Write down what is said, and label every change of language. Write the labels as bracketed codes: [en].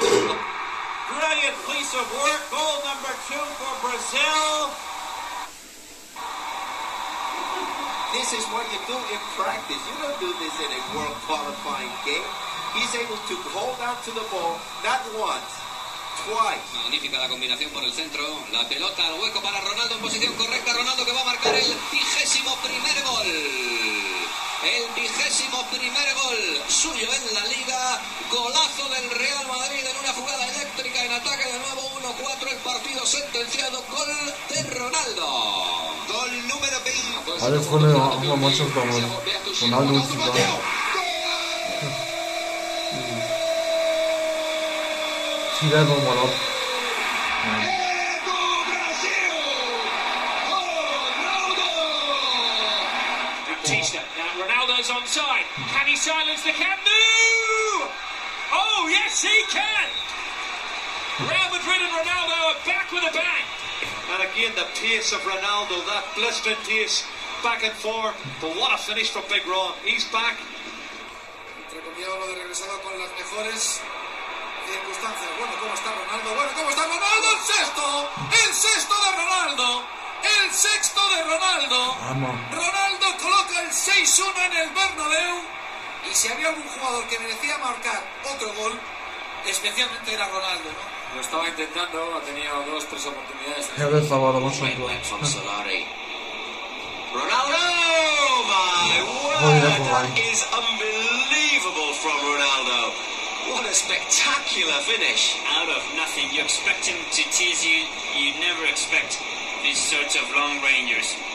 [en] Brilliant piece of work. Goal number two for Brazil. This is what you do in practice. You don't do this in a world qualifying game. He's able to hold out to the ball, not once. [es] Magnífica la combinación por el centro. La pelota al hueco para Ronaldo en posición correcta. Ronaldo que va a marcar el 21º gol. El 21º gol suyo en la liga. Golazo del Real Madrid en una jugada eléctrica en ataque de nuevo. 1-4 el partido sentenciado. Gol de Ronaldo. Gol número 20. Ronaldo último. Sí, es un valor. ¡Eto Brasil! ¡Ronaldo! [en] Batista. Now Ronaldo's onside. Can he silence the Candu? Oh, yes, he can! Real Madrid and Ronaldo are back with a bang. And again, the pace of Ronaldo, that blistering pace, back and forth. But what a finish from Big Ron. He's back. [es] Entre comillas, lo de regresado con las mejores circunstancias. Bueno, ¿cómo está Ronaldo? Bueno, ¿cómo está Ronaldo? ¡El sexto! ¡El sexto de Ronaldo! ¡El sexto de Ronaldo! Vamos. Ronaldo coloca el 6-1 en el Bernabéu. Y si había algún jugador que merecía marcar otro gol, especialmente era Ronaldo, ¿no? Lo estaba intentando, ha tenido dos, tres oportunidades. Ya lo estaba dando mucho. [en] Ronaldo, my word, that is unbelievable from Ronaldo. What a spectacular finish out of nothing. You expect him to tease you. You never expect this sort of long rangers.